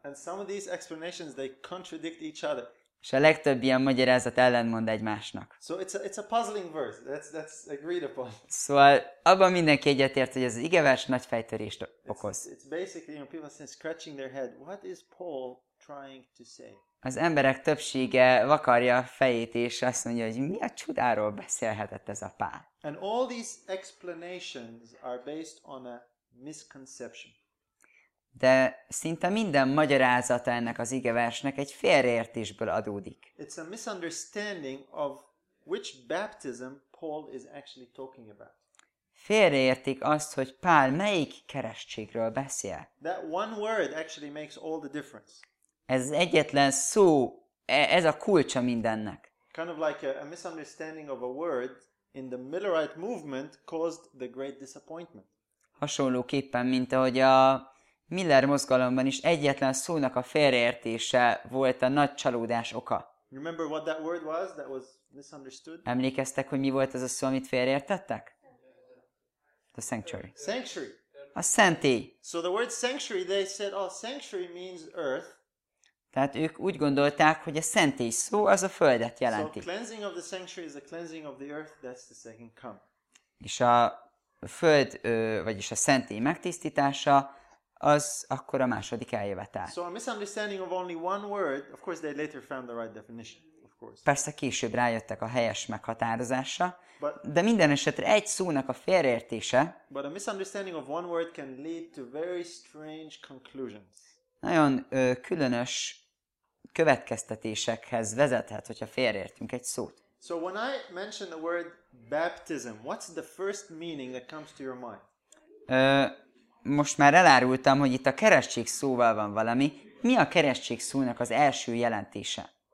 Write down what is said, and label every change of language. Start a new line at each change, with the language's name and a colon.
English: And some of these explanations they contradict each other.
Hungarian: És a legtöbb ilyen magyarázat ellentmond egymásnak.
English: So it's a puzzling verse. That's agreed upon.
Hungarian: Szóval abban mindenki egyetért, hogy ez az igevers nagy fejtörést okoz.
English: It's basically, you know, people are scratching their head. What is Paul trying to say?
Hungarian: Az emberek többsége vakarja a fejét és azt mondja, hogy mi a csodáról beszélhetett ez a Pál.
English: And all these explanations are based on a misconception.
Hungarian: De szinte minden magyarázata ennek az igeversnek egy félreértésből adódik.
English: It's a misunderstanding of which baptism Paul is actually talking about.
Hungarian: Félreértik azt, hogy Pál melyik keresztségről beszél.
English: That one word actually makes all the difference.
Hungarian: Ez egyetlen szó, ez a kulcsa mindennek.
English: Kind of like a misunderstanding of a word in the Millerite movement caused the great disappointment.
Hungarian: Hasonlóképpen, mint ahogy a Miller mozgalomban is egyetlen szónak a félreértése volt a nagy csalódás oka.
English: Remember what that word was that was misunderstood?
Hungarian: Emlékeztek, hogy mi volt az a szó, amit félreértettek?
English: The sanctuary. Sanctuary.
Hungarian: A szentély.
English: So the word sanctuary, they said, oh, sanctuary means earth.
Hungarian: Tehát ők úgy gondolták, hogy a szentély szó az a földet jelenti.
English: So cleansing of the sanctuary is the cleansing of the earth, that's the second come.
Hungarian: És a föld, vagyis a szentély megtisztítása, az akkor a második eljövetel.
English: So a misunderstanding of only one word, of course they later found the right definition, of course.
Hungarian: Persze később rájöttek a helyes meghatározásra, de minden esetre egy szónak a félreértése.
English: But a misunderstanding of one word can lead to very strange conclusions.
Hungarian: Nagyon különös következtetésekhez vezethet, hogyha félreértünk egy szót.
English: So when I mention the word baptism, what's the first meaning that comes to your mind?
Hungarian: Most már elárultam, hogy itt a keresztség szóval van valami. Mi a keresztség szónak az első jelentése?